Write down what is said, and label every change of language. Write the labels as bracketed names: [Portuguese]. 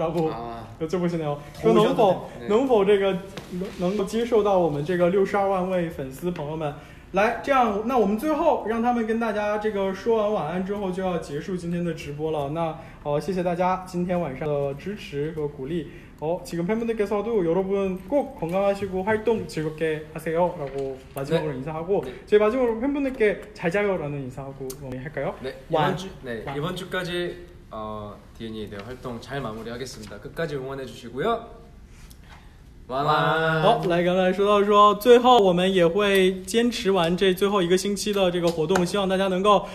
[Korean] 라고 여쭤보시네요 [Chinese] 能否接受到我们这个62万位粉丝朋友们 来这样那我们最后让他们跟大家这个说完晚安之后就要结束今天的直播了那谢谢大家今天晚上的支持和鼓励哦 [Korean] 지금 팬분들께서도 여러분 꼭 건강하시고 활동 즐겁게 하세요 라고 마지막으로 네. 인사하고 네. 저희 마지막으로 팬분들께 잘자요라는 인사하고 할까요? 네 이번주 네 이번주까지 DNA에 대한 활동 잘 마무리하겠습니다 끝까지 응원해주시고요 [Chinese] 好，来刚才说到说，最后我们也会坚持完这最后一个星期的这个活动，希望大家能够。